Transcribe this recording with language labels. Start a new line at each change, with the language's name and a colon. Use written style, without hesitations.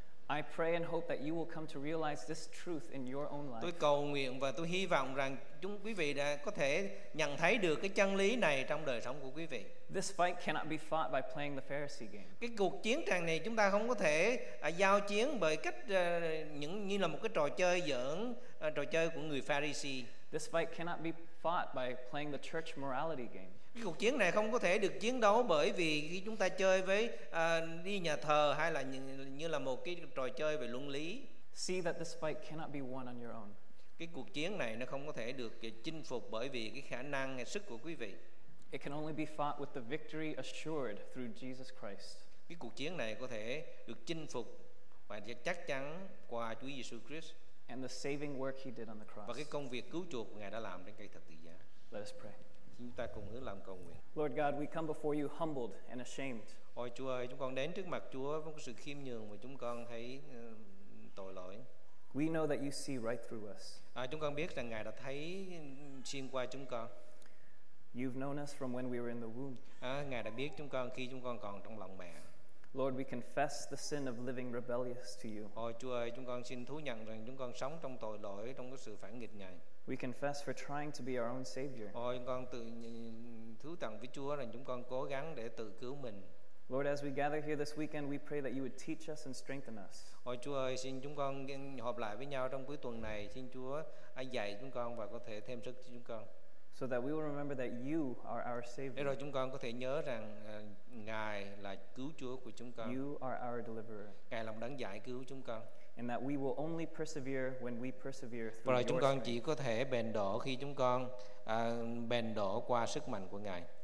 English: I pray and hope that you will come to realize this truth in your own life.
Vietnamese: Tôi cầu nguyện và tôi hy vọng rằng chúng quý vị đã có thể nhận thấy được cái chân lý này trong đời sống của quý vị.
English: This fight cannot be fought by playing the Pharisee game.
Vietnamese: Cái cuộc chiến tranh này chúng ta không có thể giao chiến bởi cách những như là một cái trò chơi giỡn, trò chơi của người Pharisee.
English: This fight cannot be fought by playing the church morality game.
Vietnamese: Cái cuộc chiến này không có thể được chiến đấu bởi vì khi chúng ta chơi với đi nhà thờ hay là như là một cái trò chơi về luân lý.
English: See that this fight cannot be won on your own.
Vietnamese: Cái cuộc chiến này nó không có thể được chinh phục bởi vì cái khả năng hay sức của quý vị.
English: It can only be fought with the victory assured through Jesus Christ.
Vietnamese: Cái cuộc chiến này có thể được chinh phục và chắc chắn qua Chúa Giêsu Christ.
English: And the saving work he did on the cross.
Vietnamese: Và cái công việc cứu chuộc Ngài đã làm trên cây thập tự giá.
English: Let us pray.
Vietnamese: Chúng ta cùng hứa làm cầu nguyện.
English: Lord God, we come before you humbled and ashamed.
Vietnamese: Ôi Chúa ơi, chúng con đến trước mặt Chúa với sự khiêm nhường mà chúng con thấy tội lỗi.
English: We know that you see right through us.
Vietnamese: Chúng con biết rằng Ngài đã thấy xuyên qua chúng con.
English: You've known us from when we were in the womb.
Vietnamese: Ngài đã biết chúng con khi chúng con còn trong lòng mẹ.
English: Lord, we confess the sin of living rebellious to you.
Vietnamese: Ôi Chúa ơi, chúng con xin thú nhận rằng chúng con sống trong tội lỗi, trong cái sự phản nghịch Ngài.
English: We confess for trying to be our own savior.
Vietnamese: Ôi con tự thú tặng với Chúa rằng chúng con cố gắng để tự cứu mình.
English: Lord, as we gather here this weekend, we pray that you would teach us and strengthen us.
Vietnamese: Ôi Chúa ơi, xin chúng con họp lại với nhau trong cuối tuần này, xin Chúa hãy dạy chúng con và có thể thêm sức cho chúng con.
English: So that we will remember that you are our savior.
Vietnamese: Để rồi chúng con có thể nhớ rằng Ngài là cứu Chúa của chúng con.
English: You are our deliverer.
Vietnamese: Ngài là đấng giải cứu chúng con.
English: And that we will only persevere when we persevere through your strength.
Vietnamese: Và chúng con chỉ có thể bền đổ khi chúng con bền đổ qua sức mạnh của Ngài.